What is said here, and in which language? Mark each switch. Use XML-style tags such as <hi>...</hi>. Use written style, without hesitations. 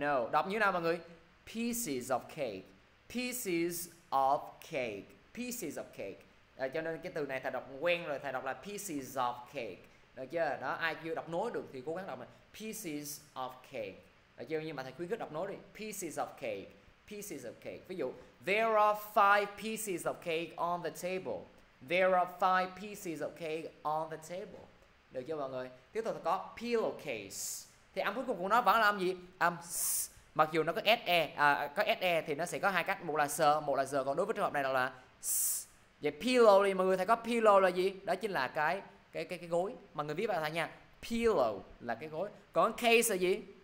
<en>No.</en> <vi>Đọc như nào mọi người?</vi> <en>Pieces of cake. Pieces of cake. Pieces of cake.</en> <vi>À, cho nên cái từ này thầy đọc quen rồi. Thầy đọc là</vi> <en>pieces of cake.</en> <vi>Được chưa? Đó, ai chưa đọc nối được thì cố gắng đọc là</vi> <en>pieces of cake.</en> <vi>Được chưa? Nhưng mà thầy khuyến khích đọc nối đi.</vi> <en>Pieces of cake. Pieces of cake.</en> <vi>Ví dụ,</vi> <en>there are five pieces of cake on the table. There are five pieces of cake on the table.</en> <vi>Được chưa mọi người? Tiếp tục có pillowcase. Thì âm cuối cùng của nó vẫn là âm gì? Âm s. Mặc dù nó có se, có se thì nó sẽ có hai cách. Một là s, một là z. Còn đối với trường hợp này là s. Vậy pillow thì mọi người thấy có pillow là gì? Đó chính là cái gối. Mọi người viết vào thầy nha. Pillow là cái gối. Còn case là gì?</vi>